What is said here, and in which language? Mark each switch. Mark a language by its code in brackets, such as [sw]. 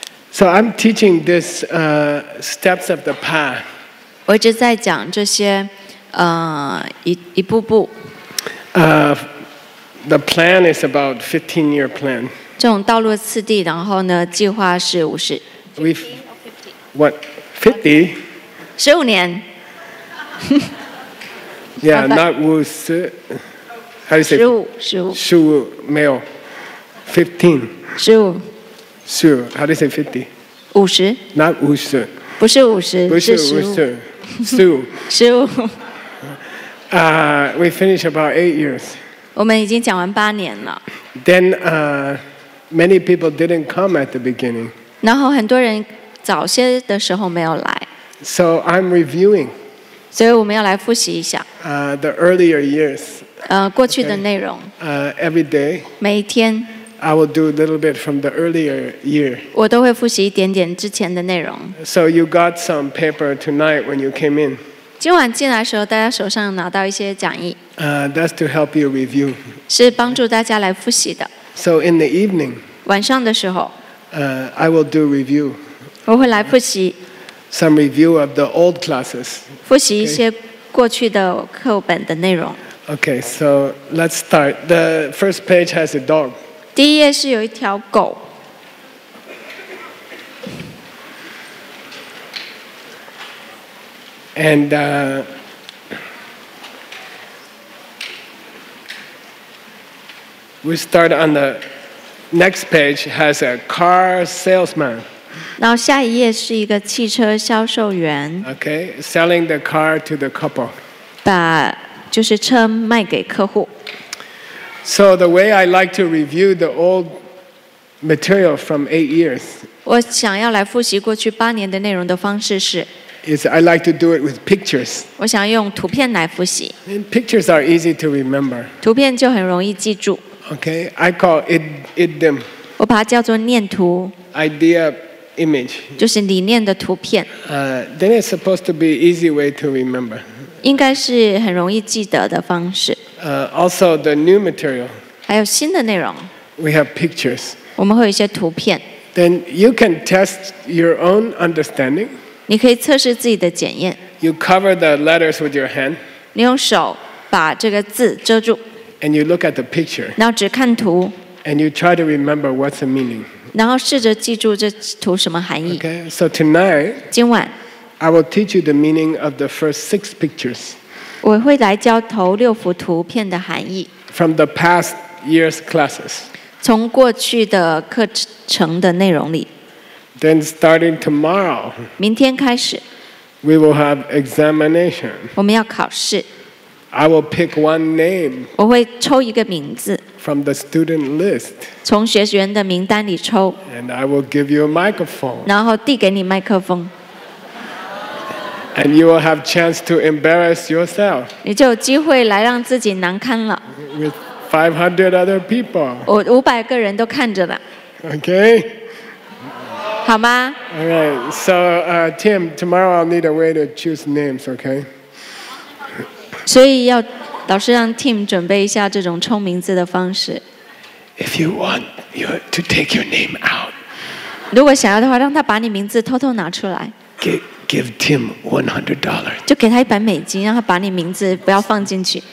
[en] So I'm teaching this steps of the path. [zh] 我一直在讲这些, 一步步。 [en] The plan is about 15-year plan. [zh] 这种道路次第, 然后呢, 计划是50, [en] We've, 15 what? 50? [zh] 15年。 [en] Yeah, not Wu. How do you say? Shu, Shu. Male. 15. [zh] Shu. [en] Shu. How do you say 50? [zh] 50. [en] Not 50. [zh] 不是50, 不是50. 是15. Shu. Shu. [en] We finished about 8 years. [zh] 我们已经讲完8年了. [en] Then many people didn't come at the beginning. [zh] 然后很多人早些的时候没有来. [en] So I'm reviewing. [zh] 所以我们要来复习一下 [en] the earlier years [zh] 过去的内容 [en] every day [zh] 每一天 [en] I will do a little bit from the earlier year [zh] 我都会复习一点点之前的内容 [en] So you got some paper tonight when you came in [zh] 今晚进来的时候大家手上拿到一些讲义 [en] that's to help you review [zh] 是帮助大家来复习的 [en] So in the evening [zh] 晚上的时候 [en] I will do review [zh] 我会来复习 [en] Some review of the old classes. [zh] 复习一些过去的课本的内容。 [en] Okay, so let's start. The first page has a dog. [zh] 第一页是有一条狗。 [en] And we start on the next page has a car salesman. [zh] 然后下一页是一个汽车销售员 [en] Okay, selling the car to the couple [zh] 把就是车卖给客户 [en] So the way I like to review the old material from 8 years [zh] 我想要来复习过去八年的内容的方式是 [en] Is I like to do it with pictures [zh] 我想用图片来复习 [en] And pictures are easy to remember [zh] 图片就很容易记住 [en] Okay, I call it idim [zh] 我把它叫做念图 [en] Idea Image. [zh] 就是理念的图片 [en] then it's supposed to be an easy way to remember. [zh] 应该是很容易记得的方式 [en] also the new material. [zh] 还有新的内容 [en] We have pictures. [zh] 我们会有一些图片 [en] Then you can test your own understanding. [zh] 你可以测试自己的检验 [en] You cover the letters with your hand. [zh] 你用手把这个字遮住 [en] And you look at the picture. [zh] 然后只看图 [en] And you try to remember what's the meaning. [zh] 然后试着记住这图什么含义 [en] Okay, so tonight [zh] 今晚 [en] I will teach you the meaning of the first six pictures [zh] 我会来教头六幅图片的含义 [en] From the past year's classes [zh] 从过去的课程的内容里 [en] Then starting tomorrow [zh] 明天开始 [en] We will have examination [zh] 我们要考试 [en] I will pick one name [zh] 我会抽一个名字 [en] From the student list. [zh] 从学员的名单里抽, [en] and I will give you a microphone. [zh] 然后递给你麦克风, [en] and you will have a chance to embarrass yourself. [zh] 你就有机会来让自己难堪了, [en] with 500 other people. [zh] 我500个人都看着了, [en] okay? [zh] 好吗? [en] All right. So, Tim, tomorrow I'll need a way to choose names, okay? [zh] 所以要 老师让Tim准备一下这种抽名字的方式 [en] If you want your, to take your name out [zh] 如果想要的话 让他把你名字偷偷拿出来 [en] Give Tim $100 [zh] 就给他100美金 让他把你名字不要放进去